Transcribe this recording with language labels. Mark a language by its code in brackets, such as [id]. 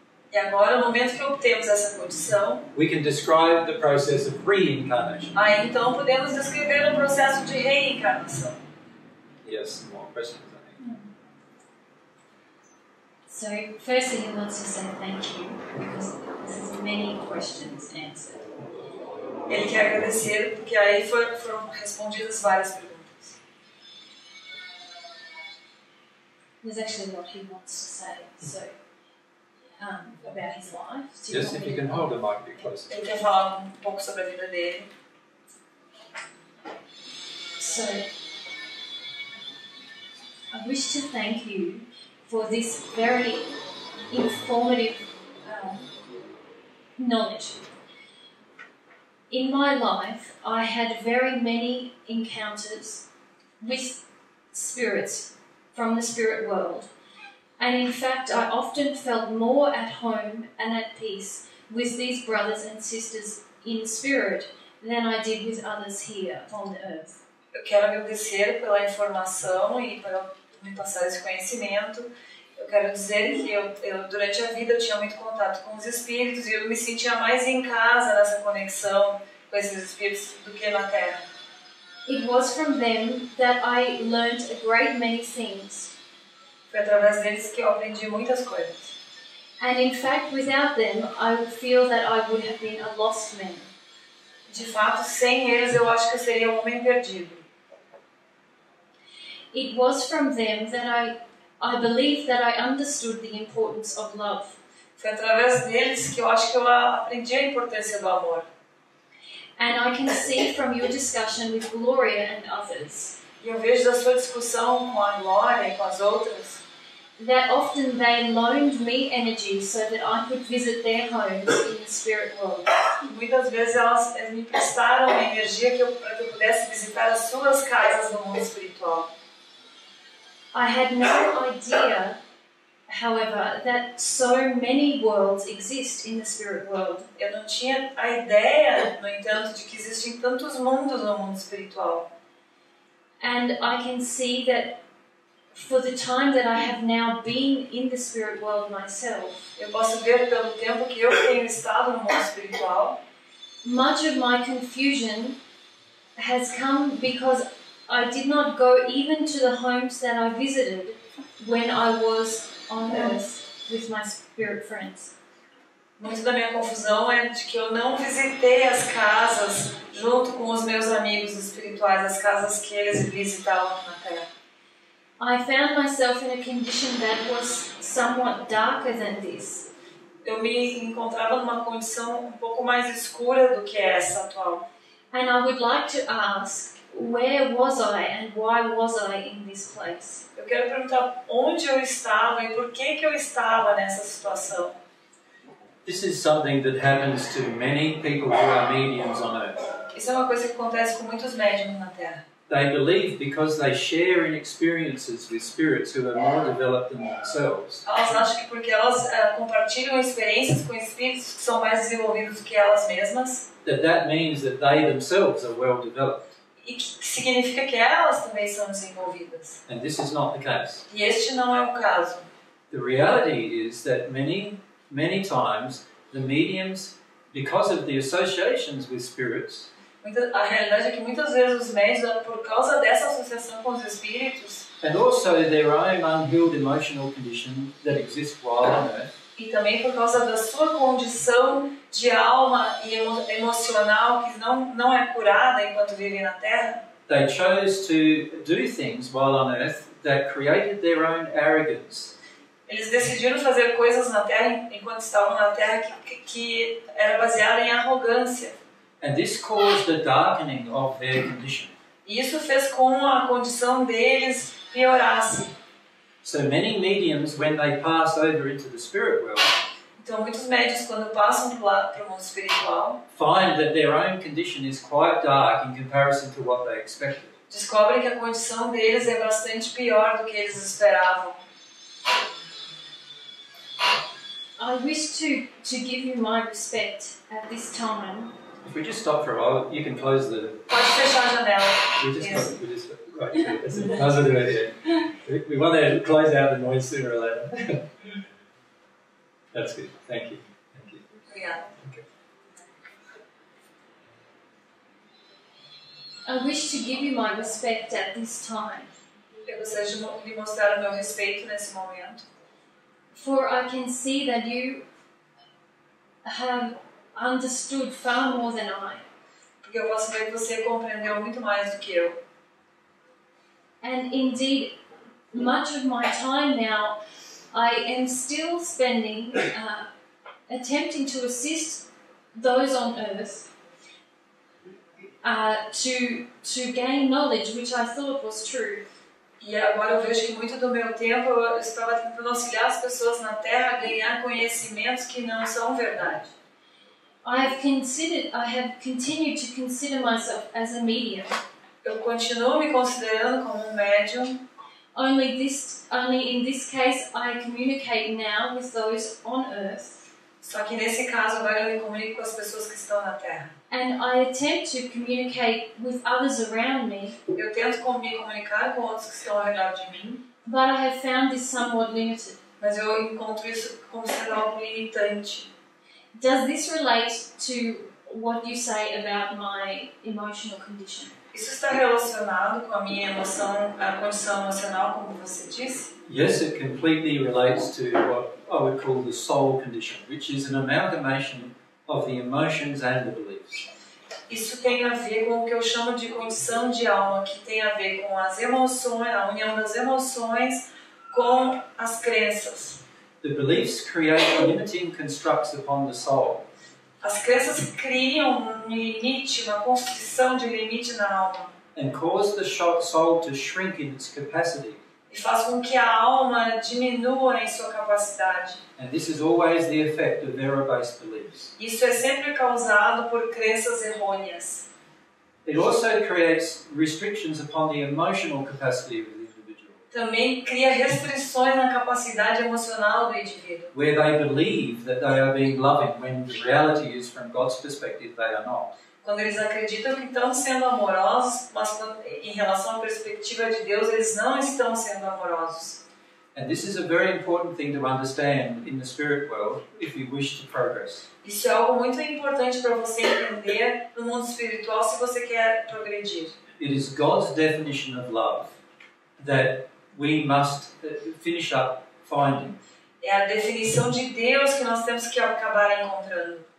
[pt] e agora, no momento que obtemos essa condição, [en] we can describe the process of reincarnation. [pt] Aí, então, podemos descrever o processo de reencarnação. [en] Yes, more questions, I think. Mm-hmm. So, firstly, he wants to say thank you, because this is many questions answered. [pt] Ele quer agradecer, porque aí foram respondidas várias perguntas. [en] There's actually what he wants to say, so, about his life. Do you if you can hold the mic a bit closer. [pt] Ele quer falar pouco sobre a vida dele. [en] So, I wish to thank you for this very informative knowledge. In my life, I had very many encounters with spirits, from the spirit world, and in fact I often felt more at home and at peace with these brothers and sisters in spirit than I did with others here on the earth. [pt] Eu quero agradecer pela informação e para me passar esse conhecimento. Eu quero dizer que eu durante a vida eu tinha muito contato com os espíritos e eu me sentia mais em casa nessa conexão com esses espíritos do que na Terra. [en] It was from them that I learned a great many things. [pt] Foi através deles que eu aprendi muitas coisas. [en] And in fact, without them, I would feel that I would have been a lost man. [pt] De fato, sem eles, eu acho que eu seria um homem perdido. [en] It was from them that I I believe that I understood the importance of love. [pt] Foi através deles que eu acho que eu aprendi a importância do amor. [en] And I can see from your discussion with Gloria and others. [pt] E eu vejo da sua discussão com a Gloria e com as outras. [en] That often they loaned me energy so that I could visit their homes in the spirit world. [pt] Muitas vezes elas me prestaram energia para que eu pudesse visitar as suas casas no mundo espiritual. [en] I had no idea, however, that so many worlds exist in the spirit world. [pt] Eu não tinha a ideia, no entanto, de que existem tantos mundos no mundo espiritual. [en] And I can see that for the time that I have now been in the spirit world myself, [pt] eu posso ver pelo tempo que eu tenho estado no mundo espiritual, [en] much of my confusion has come because I did not go even to the homes that I visited when I was on earth with my spirit friends. [pt] Muito da minha confusão é de que eu não visitei as casas junto com os meus amigos espirituais, as casas que eles visitavam aqui na Terra. [en] I found myself in a condition that was somewhat darker than this. [pt] Eu me encontrava numa condição um pouco mais escura do que essa atual. [en] And I would like to ask, where was I and why was I in this place? [pt] Eu quero perguntar onde eu estava e por que que eu estava nessa situação. [en] This is something that happens to many people who are mediums on earth. [pt] Isso é uma coisa que acontece com muitos médiums na Terra. [en] They believe because they share in experiences with spirits who are more developed than themselves. [pt] Elas acham que porque elas compartilham experiências com espíritos que são mais desenvolvidos que elas mesmas. [en] That means that they themselves are well developed. [pt] E que significa que elas também são desenvolvidas. [en] And this is not the case. [pt] E este não é o caso. [en] The reality is that many times the mediums, because of the associations with spirits, [pt] a realidade é que muitas vezes os médiums, por causa dessa associação com os espíritos, [en] and also their own unhealed emotional condition that exists while on earth, [pt] e também por causa da sua condição de alma e emocional que não é curada enquanto vivem na Terra, [en] they chose to do things while on earth that created their own arrogance. [pt] Eles decidiram fazer coisas na Terra enquanto estavam na Terra que era baseada em arrogância. [en] And this caused the darkening of their condition. [pt] E isso fez com a condição deles piorasse. [en] So many mediums, when they pass over into the spirit world, [pt] então muitos médiums quando passam para o mundo espiritual, [en] find that their own condition is quite dark in comparison to what they expected. [pt] Descobrem que a condição deles é bastante pior do que eles esperavam. [en] I wish to give you my respect at this time. If we just stop for a while, you can close the... [pt] Pode fechar a janela. [en] We want to close out the noise sooner or later. That's good. Thank you. Okay. I wish to give you my respect at this time. [pt] Eu gostaria de mostrar o meu respeito nesse momento. [en] For I can see that you have understood far more than I. [pt] Porque eu posso ver que você compreendeu muito mais do que eu. [en] And indeed, much of my time now, I am still spending attempting to assist those on earth to gain knowledge, which I thought was true. [pt] E agora eu vejo que muito do meu tempo eu estava tentando auxiliar as pessoas na Terra a ganhar conhecimentos que não são verdade. [en] I have continued to consider myself as a medium. [pt] Eu continuo me considerando como um médium. [en] Only in this case I communicate now with those on earth. [pt] Só que nesse caso agora eu me comunico com as pessoas que estão na Terra. [en] And I attempt to communicate with others around me. [pt] Eu tento me comunicar com outros que estão ao redor de mim. [en] But I have found this somewhat limited. [pt] Mas eu encontro isso considerado limitante. [en] Does this relate to what you say about my emotional condition? [pt] Isso está relacionado com a minha emoção, a condição emocional, como você disse? [en] Yes, it completely relates to what I would call the soul condition, which is an amalgamation of the emotions and the beliefs. [pt] Isso tem a ver com o que eu chamo de condição de alma, que tem a ver com as emoções, a união das emoções, com as crenças. [en] The beliefs create limiting constructs upon the soul. [pt] As crenças criam um limite, uma construção de limite na alma. [en] And cause the soul to shrink in its capacity. [pt] E faz com que a alma diminua em sua capacidade. [en] And this is always the effect of error-based beliefs. [pt] Isso é sempre causado por crenças errôneas. [en] It also creates restrictions upon the emotional capacity of the individual. [pt] Também cria restrições na capacidade emocional do indivíduo. [en] Where they believe that they are being loving when the reality is, from God's perspective, they are not. [pt] Quando eles acreditam que estão sendo amorosos, mas em relação à perspectiva de Deus, eles não estão sendo amorosos. [en] And this is a very important thing to understand in the spirit world if you wish to progress. [pt] Isso é algo muito importante para você entender no mundo espiritual se você quer progredir. [en] It is God's definition of love that we must finish up finding. [pt] É a definição de Deus que nós temos que acabar encontrando.